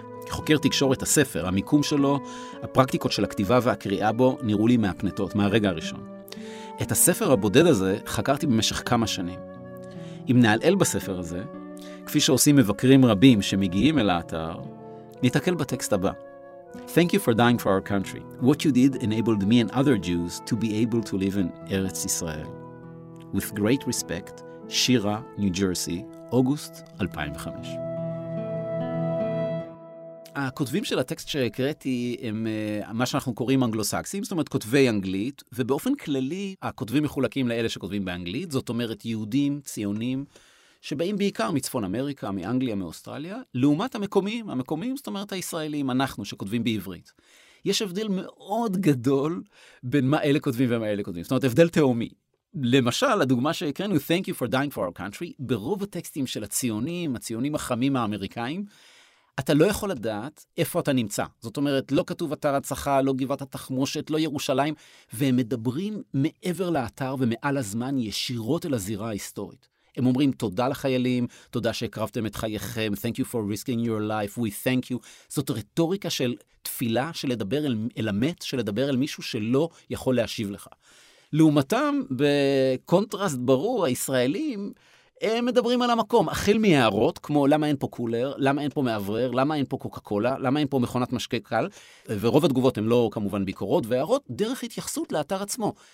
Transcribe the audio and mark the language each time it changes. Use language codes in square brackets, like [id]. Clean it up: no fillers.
[he] חוקר תקשורת הספר, המיקום שלו, הפרקטיקות של הכתיבה והקריאה בו נראו לי מהפנטות, מהרגע הראשון. את הספר הבודד הזה חקרתי במשך כמה שנים. אם נעלעל בספר הזה, כפי שעושים מבקרים רבים שמגיעים אל האתר, נתקל בטקסט הבא. [en] Thank you for dying for our country. What you did enabled me and other Jews to be able to live in Eretz Israel. With great respect, Shira, New Jersey, August 2005. [he] הכותבים של הטקסט שהקראתי הם מה שאנחנו קוראים אנגלוסקסים, זאת אומרת כותבי אנגלית, ובאופן כללי הכותבים מחולקים לאלה שכותבים באנגלית, זאת אומרת יהודים, ציונים, שבאים בעיקר מצפון אמריקה, מאנגליה, מאוסטרליה, לעומת המקומיים, המקומיים, זאת אומרת הישראלים, אנחנו שכותבים בעברית. יש הבדל מאוד גדול בין מה אלה כותבים ומה אלה כותבים, זאת אומרת הבדל תאומי. למשל, הדוגמה שהקראנו, [en] Thank you for dying for our country, [he] ברוב הטקסטים של הציונים, הציונים החמים האמריקאים, אתה לא יכול לדעת איפה אתה נמצא. זאת אומרת, לא כתוב אתר הצחה, לא גבעת התחמושת, לא ירושלים, והם מדברים מעבר לאתר ומעל הזמן ישירות אל הזירה ההיסטורית. הם אומרים תודה לחיילים, תודה שהקרבתם את חייכם, [en] thank you for risking your life, we thank you. [he] זאת רטוריקה של תפילה, של לדבר אל המת, של לדבר אל מישהו שלא יכול להשיב לך. לעומתם, בקונטרסט ברור, הישראלים, הם מדברים על המקום, החל מהערות, כמו למה אין פה קולר, למה אין פה מעברר, למה אין פה קוקה קולה, למה אין פה מכונת משקה קל, ורוב התגובות הן לא כמובן ביקורות, והערות דרך התייחסות לאתר עצמו.